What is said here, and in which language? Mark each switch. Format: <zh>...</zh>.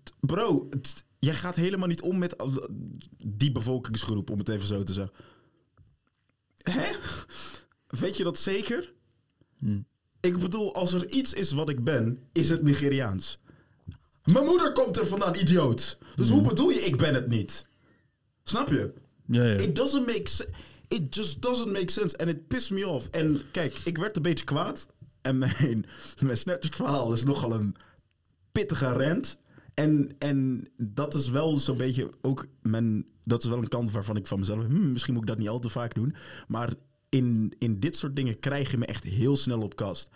<nl>Bro, jij gaat helemaal niet om met die bevolkingsgroep, om het even zo te zeggen. Hè? Weet je dat zeker? Hm. Ik bedoel, als er iets is wat ik ben, is het Nigeriaans. Mijn moeder komt er vandaan, idioot. Dus hoe bedoel je, ik ben het niet? Snap je? Ja, ja.</nl> <en>It doesn't make it just doesn't make sense.</en> <nl>En het pisst</nl> <en>me off.</en> <nl>En kijk, ik werd een beetje kwaad. En mijn Snapchat-verhaal is nogal een pittige rant. En dat is wel zo'n beetje ook mijn... Dat is wel een kant waarvan ik van mezelf... misschien moet ik dat niet al te vaak doen. Maar in dit soort dingen krijg je me echt heel snel op kast.</nl>